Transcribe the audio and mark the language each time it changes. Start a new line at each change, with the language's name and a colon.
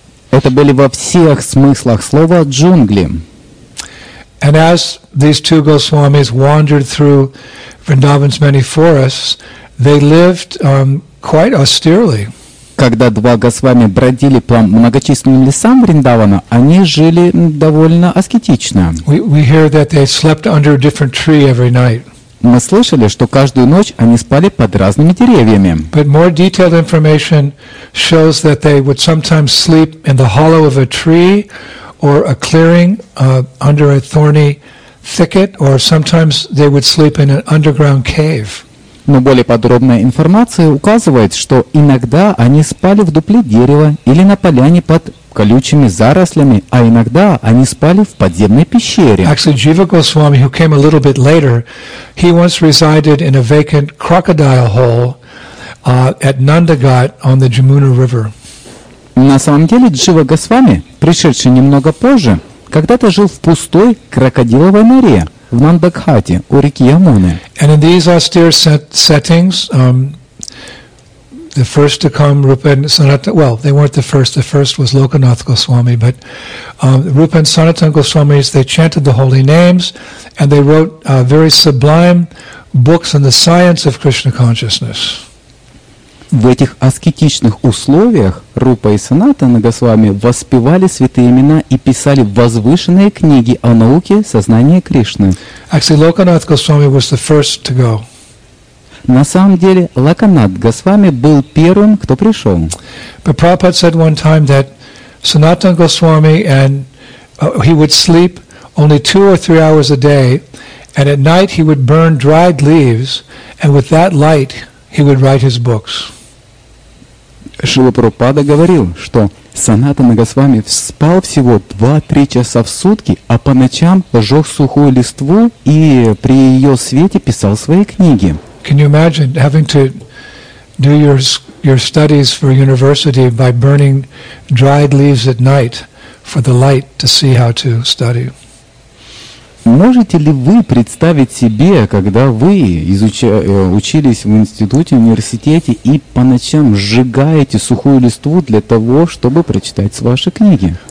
Russian: Это были во всех смыслах слова джунгли.
English: And as these two Goswamis wandered through Vrindavan's many forests, they lived quite austerely.
Russian: Когда два Госвами бродили по многочисленным лесам Вриндавана, они жили довольно аскетично.
English: We hear that they slept under a different tree every night.
Russian: Мы слышали, что каждую ночь они спали под разными деревьями.
English: But more detailed information shows that they would sometimes sleep in the hollow of a tree, or a clearing under a thorny thicket, or sometimes they would sleep in an underground cave.
Russian: Но более подробная информация указывает, что иногда они спали в дупле дерева или на поляне под колючими зарослями, а иногда они спали в подземной пещере.
English: Actually, Jiva Goswami, who came a little bit later, he once resided in a vacant crocodile hole at Nandagat on the Jamuna River.
Russian: На самом деле, Джива Госвами, пришедший немного позже, когда-то жил в пустой крокодиловой норе в Нандакхате у реки Ямуны.
English: And in these austere settings, the first to come, Rupa and Sanatan, well, they weren't the first was Lokanath Goswami, but Rupa and Sanatan Goswamis, they chanted the holy names, and they wrote very sublime books on the science of Krishna consciousness.
Russian: В этих аскетичных условиях Рупа и Санатана Госвами воспевали святые имена и писали возвышенные книги о науке сознания Кришны.
English: Actually, Lokanath Goswami was the first to go.
Russian: На самом деле, Локанат Госвами был первым, кто пришел.
English: But Prabhupada said one time that Sanatan Goswami and he would sleep only two or three hours a day, and at night he would burn dried leaves, and with that light he would write his books.
Russian: Шрила Прабхупада говорил, что Санатана Госвами спал всего 2-3 часа в сутки, а по ночам жег сухую листву и при ее свете писал свои книги.
English: Can you imagine having to do your studies for university by burning dried leaves at night for the light to see how to study?
Russian: Можете ли вы представить себе, когда вы учились в институте, в университете и по ночам сжигаете сухую листву для того, чтобы прочитать ваши книги?